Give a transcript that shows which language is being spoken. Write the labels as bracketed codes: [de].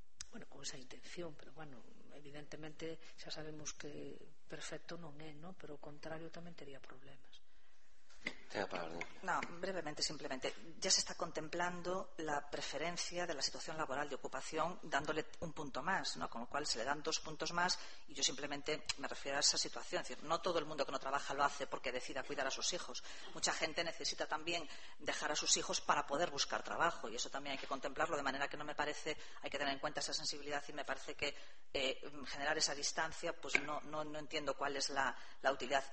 [gl] Bueno, con esa intención, pero bueno, evidentemente xa sabemos que perfecto non é, non? Pero o contrario tamén tería problemas. [es] No, brevemente, simplemente, ya se está contemplando la preferencia de la situación laboral de ocupación dándole un punto más, ¿no? Con lo cual se le dan dos puntos más, y yo simplemente me refiero a esa situación. Es decir, no todo el mundo que no trabaja lo hace porque decida cuidar a sus hijos. Mucha gente necesita también dejar a sus hijos para poder buscar trabajo, y eso también hay que contemplarlo, de manera que no me parece, hay que tener en cuenta esa sensibilidad, y me parece que generar esa distancia, pues no entiendo cuál es la utilidad.